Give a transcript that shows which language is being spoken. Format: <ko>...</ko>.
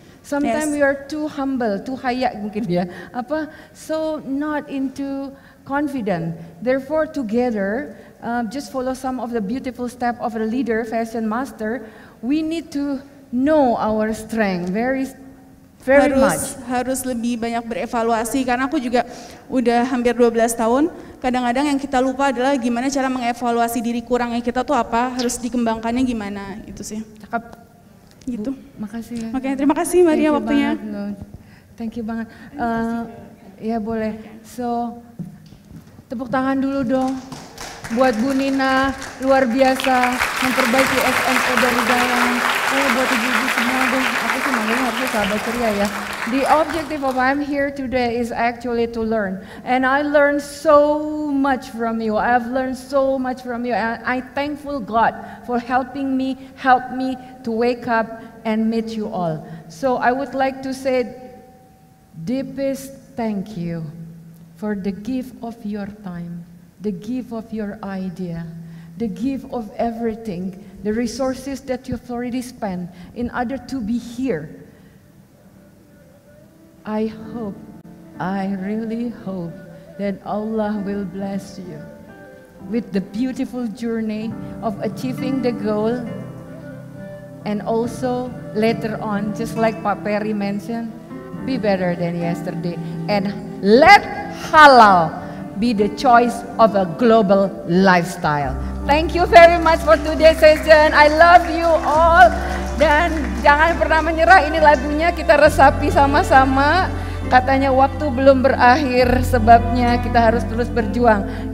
<en>Sometimes yes. We are too humble, too haya</en> <id>mungkin ya. Apa?</id> <en>So not into confident. Therefore together, just follow some of the beautiful step of a leader, fashion master, we need to know our strength very</en> <id>harus,</id> <en>much.</en> <id>Harus lebih banyak berevaluasi, karena aku juga udah hampir 12 tahun, kadang-kadang yang kita lupa adalah gimana cara mengevaluasi diri, kurangnya kita tuh apa, harus dikembangkannya gimana, itu sih. Cakep. Gitu. Makasih. Makanya terima kasih Maria.</id> <en>Thank</en> <id>waktunya.</id> <en>Thank you</en> <id>banget. Ya boleh. So, tepuk tangan dulu dong buat Bu Nina, luar biasa memperbaiki SMO dari dalam. Buat ibu-ibu semua deh, aku sih manggilnya harusnya sahabat ceria ya.</id> <en>The objective of I'm here today is actually to learn. And I learned so much from you. I've learned so much from you. And I thankful God for helping me, help me to wake up and meet you all. So I would like to say deepest thank you for the gift of your time, the gift of your idea, the gift of everything, the resources that you've already spent in order to be here. I hope, I really hope that Allah will bless you with the beautiful journey of achieving the goal, and also later on, just like Pak Perry mentioned, be better than yesterday, and let halal be the choice of a global lifestyle. Thank you very much for today's session. I love you all.</en> <id>Dan jangan pernah menyerah, ini lagunya kita resapi sama-sama. Katanya waktu belum berakhir, sebabnya kita harus terus berjuang.</id>